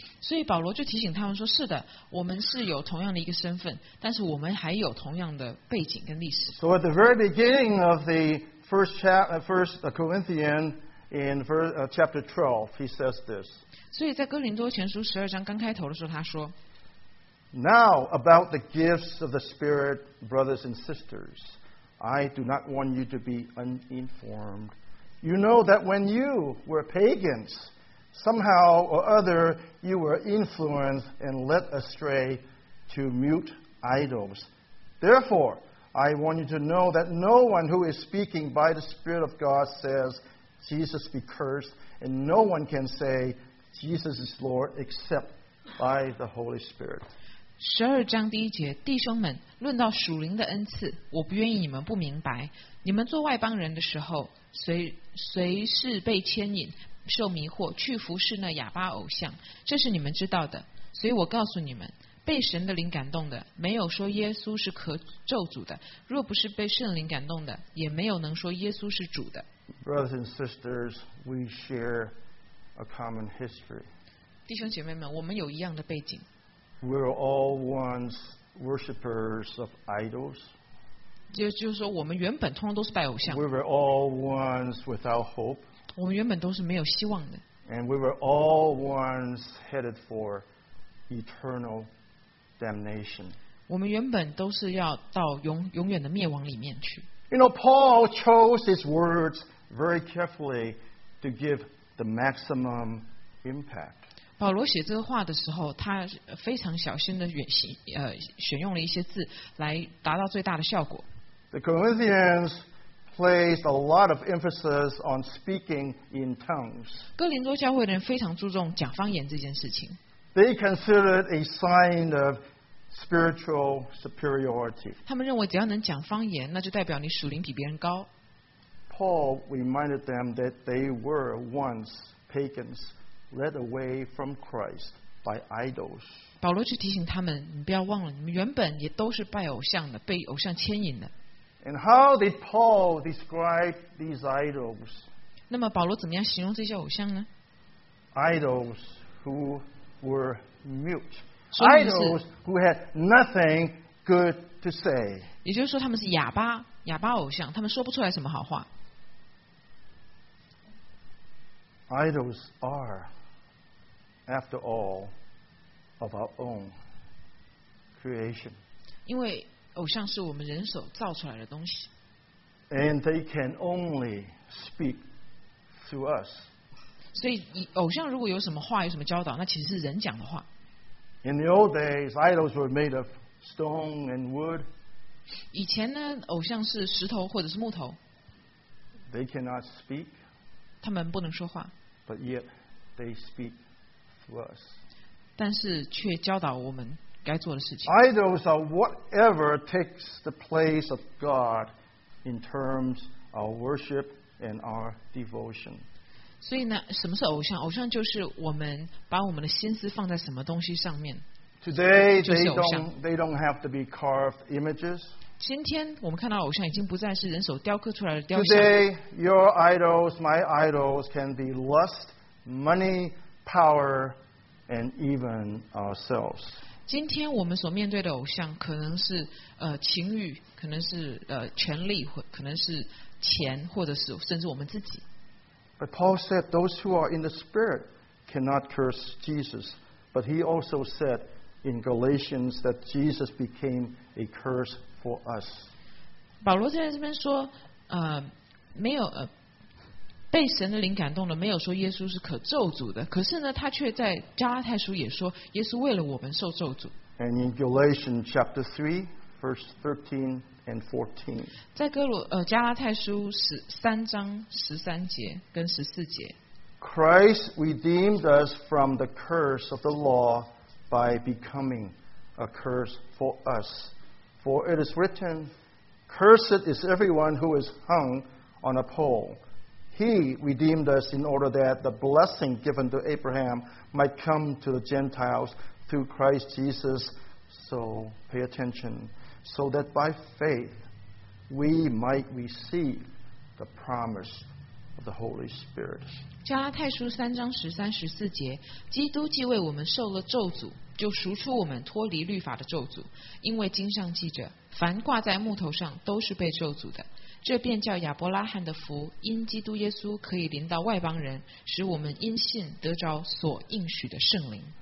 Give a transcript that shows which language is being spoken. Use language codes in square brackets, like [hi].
[zh] 所以保罗就提醒他们说，是的，我们是有同样的一个身份，但是我们还有同样的背景跟历史。 [en] So at the very beginning of the first Corinthians, in chapter 12, he says this. [zh] 所以在哥林多前书十二章刚开头的时候，他说， [en] Now, about the gifts of the Spirit, brothers and sisters, I do not want you to be uninformed. You know that when you were pagans, somehow or other, you were influenced and led astray to mute idols. Therefore, I want you to know that no one who is speaking by the Spirit of God says, Jesus be cursed, and no one can say, Jesus is Lord, except by the Holy Spirit. [zh] 十二章第一节，弟兄们，论到属灵的恩赐，我不愿意你们不明白。你们做外邦人的时候，随是被牵引、受迷惑，去服侍那哑巴偶像，这是你们知道的。所以我告诉你们，被神的灵感动的，没有说耶稣是可咒诅的；若不是被圣灵感动的，也没有能说耶稣是主的。 [en] Brothers and sisters, we share a common history. [zh] 弟兄姐妹们，我们有一样的背景。 [en] We're all once worshippers of idols. [zh] 就是说我们原本通常都是拜偶像。 [en] We were all once without hope. [zh] 我们原本都是没有希望的。 [en] And we were all once headed for eternal damnation. [zh] 我们原本都是要到永远的灭亡里面去。 [en] You know, Paul chose his words very carefully to give the maximum impact. [zh] 保罗写这个话的时候，他非常小心的选用了一些字来达到最大的效果。 [en] The Corinthians placed a lot of emphasis on speaking in tongues. [zh] 哥林多教会的人非常注重讲方言这件事情。 [en] They considered a sign of spiritual superiority. [zh] 他们认为只要能讲方言，那就代表你属灵比别人高。 [en] Paul reminded them that they were once pagans. Led away from Christ by idols. [zh] 保罗去提醒他们，你不要忘了，你们原本也都是拜偶像的，被偶像牵引的。 [en] And how did Paul describe these idols? [zh] 那么保罗怎么样形容这些偶像呢？ [en] Idols who were mute. Idols who had nothing good to say. [zh] 也就是说，他们是哑巴偶像，他们说不出来什么好话。 [en] Idols are, after all, of our own creation. [zh] 因为偶像是我们人手造出来的东西。 [en] And they can only speak through us. [zh] 所以偶像如果有什么话，有什么教导，那其实是人讲的话。 [en] In the old days, idols were made of stone and wood. [zh] 以前呢，偶像是石头或者是木头。 [en] They cannot speak. [zh] 他们不能说话。 [en] But yet they speak to us. [zh] 但是却教导我们该做的事情。 [en] Idols are whatever takes the place of God in terms of worship and our devotion. [zh] 所以呢，什么是偶像？偶像就是我们把我们的心思放在什么东西上面。 [en] Today they don't have to be carved images. [zh] 今天我们看到偶像已经不再是人手雕刻出来的雕像。 [en] Today your idols, my idols, can be lust, money, power, and even ourselves. [zh] 今天我们所面对的偶像可能是情欲，可能是权力，可能是钱，或者是甚至我们自己。 [en] But Paul said those who are in the spirit cannot curse Jesus. But he also said in Galatians that Jesus became a curse for us. [zh] 保罗在这边说，没有被神的灵感动的，没有说耶稣是可咒诅的。可是呢，他却在加拉太书也说，耶稣为了我们受咒诅。 [en] And in Galatians chapter 3:13-14. [zh] 在加拉太书三章十三节跟十四节。 [en] Christ redeemed us from the curse of the law by becoming a curse for us. For it is written, cursed is everyone who is hung on a pole. He redeemed us in order that the blessing given to Abraham might come to the Gentiles through Christ Jesus. So pay attention. So that by faith we might receive the promise of the Holy Spirit. [zh] 加拉太书三章十三十四节，基督既为我们受了咒诅，就赎出我们脱离律法的咒诅。因为经上记着，凡挂在木头上都是被咒诅的。这便叫亚伯拉罕的福，因基督耶稣可以临到外邦人，使我们因信得着所应许的圣灵。